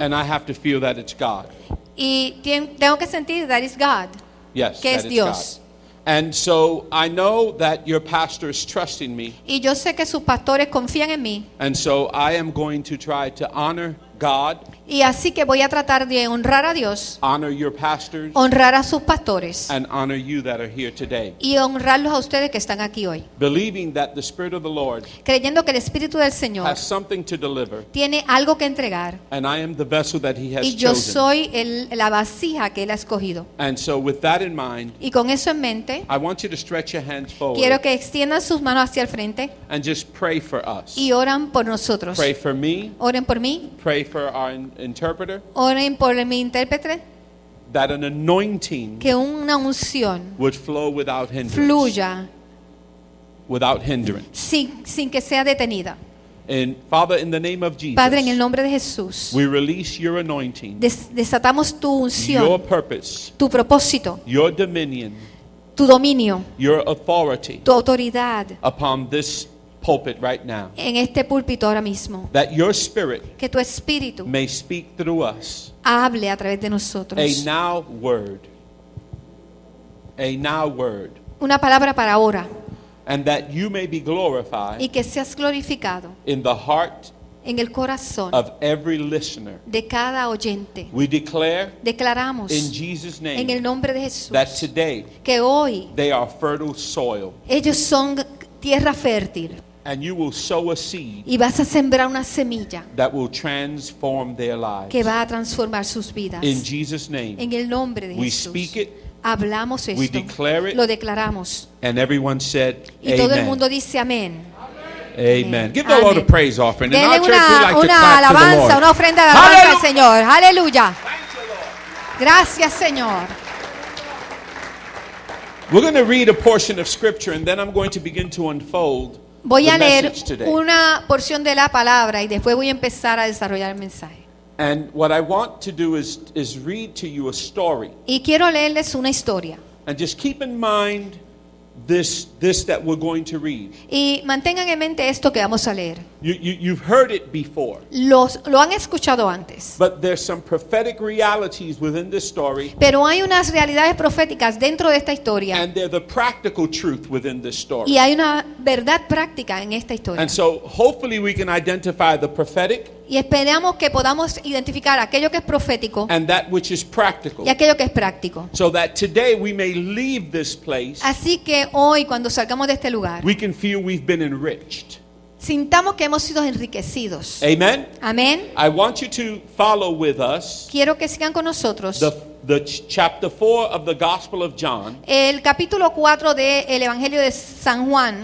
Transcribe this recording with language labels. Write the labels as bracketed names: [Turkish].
[English] And I have to feel that it's God. [Spanish] Y tengo que sentir [English] that it's God. Yes, [Spanish] que [English] that [Spanish] es Dios. [English] God. And so I know that your pastor is trusting me. [Spanish] Y yo sé que sus pastores confían en mí. [English] And so I am going to try to honor God. [Spanish] Y así que voy a tratar de honrar a Dios. [English] Honor your pastors. [Spanish] Honrar a sus pastores. [English] And honor you that are here today. [Spanish] Y honrarlos a ustedes que están aquí hoy. [English] Believing that the Spirit of the Lord. [Spanish] Creyendo que el Espíritu del Señor. [English] Has something to deliver. [Spanish] Tiene algo que entregar. [English] And I am the vessel that He has chosen. [Spanish] Y yo [English] chosen. [Spanish] Soy la vasija que Él ha escogido. [English] And so with that in mind. [Spanish] Y con eso en mente. [English] I want you to stretch your hands forward. [Spanish] Quiero que extiendan sus manos hacia el frente. [English] And just pray for us. [Spanish] Y oran por nosotros. [English] Pray for me. [Spanish] Oren por mí. [English] Pray for our interpreter. [Spanish] Oren por mi intérprete. [English] That an anointing [Spanish] que una unción [English] would flow without hindrance. [Spanish] Fluya [English] without hindrance. [Spanish] Sin que sea detenida. [English] And Father, in the name of Jesus. [Spanish] Padre, en el nombre de Jesús. [English] We release your anointing. [Spanish] Desatamos tu unción. [English] Your purpose. [Spanish] Tu propósito. [English] Your dominion. [Spanish] Tu dominio. [English] Your authority. [Spanish] Tu autoridad. [English] Upon this pulpit right now. [Spanish] En este púlpito ahora mismo. [English] That your spirit. [Spanish] Que tu espíritu. [English] May speak through us. [Spanish] Hable a través de nosotros. [English] A now word. A now word. [Spanish] Una palabra para ahora. [English] And that you may be glorified. [Spanish] Y que seas glorificado. [English] In the heart. [Spanish] En el corazón. [English] Of every listener. [Spanish] De cada oyente. [English] We declare. [Spanish] Declaramos. [English] In Jesus' name. [Spanish] En el nombre de Jesús. [English] That today. [Spanish] Que hoy. [English] They are fertile soil. [Spanish] Ellos son tierra fértil. [English] And you will sow a seed. [Spanish] Y vas a sembrar una semilla. [English] That will transform their lives. [Spanish] Que va a transformar sus vidas. [English] In Jesus' name. [Spanish] En el nombre de [English] we [Spanish] Jesús. [English] We speak it. [Spanish] Hablamos esto. [English] We declare it. [Spanish] Lo declaramos. [English] And everyone said, [Spanish] y todo [English] amen. [Spanish] El mundo dice amén. [English] Amen. Give the Lord a praise offering. [Spanish] Denle una, alabanza, una ofrenda de alabanza al Señor. Aleluya. Gracias, Señor. [English] We're going to read a portion of scripture and then I'm going to begin to unfold [Spanish] voy a leer una porción de la palabra y después voy a empezar a desarrollar el mensaje. [English] And what I want to do is read to you a story. [Spanish] Y quiero leerles una historia. [English] And just keep in mind this that we're going to read. [Spanish] Y mantengan en mente esto que vamos a leer. [English] You've heard it before. [Spanish] Lo han escuchado antes. [English] But there's some prophetic realities within this story. [Spanish] Pero hay unas realidades proféticas dentro de esta historia. [English] And they're the practical truth within this story. [Spanish] Y hay una verdad práctica en esta historia. [English] And so hopefully we can identify the prophetic. [Spanish] Y esperamos que podamos identificar aquello que es profético. [English] And that which is practical. [Spanish] Y aquello que es práctico. [English] So that today we may leave this place. [Spanish] Así que hoy cuando salgamos de este lugar. [English] We can feel we've been enriched. [Spanish] Sintamos que hemos sido enriquecidos. [English] Amen. [Spanish] Amen. [English] I want you to follow with us. [Spanish] Quiero que sigan con nosotros. [English] The chapter 4 of the Gospel of John. [Spanish] El capítulo 4 del Evangelio de San Juan.